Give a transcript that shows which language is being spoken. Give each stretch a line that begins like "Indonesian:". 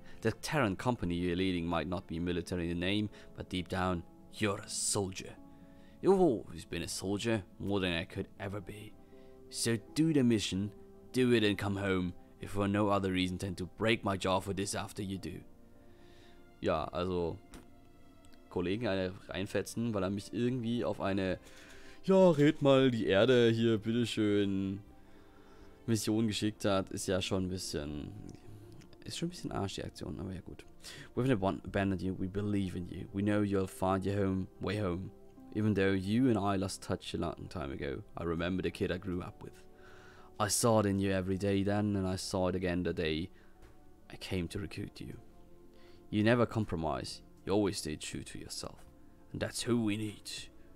English: The Terran company you're leading might not be military in the name, but deep down, you're a soldier. You've always been a soldier, more than I could ever be. So do the mission, do it and come home, if for no other reason than to break my jaw for this after you do.
German: Ja, also, Kollegen eine reinfetzen, weil er mich irgendwie auf eine, ja, red mal die Erde hier, bitteschön, Mission geschickt hat, ist ja schon ein bisschen, ist schon ein bisschen Arsch, die Aktion, aber ja gut.
English: We've never abandoned you, we believe in you, we know you'll find your home, way home. Even though you and I lost touch a long time ago, I remember the kid I grew up with. I saw it in you every day then, and I saw it again the day I came to recruit you. You never compromise, you always stay true to yourself. And that's who we need.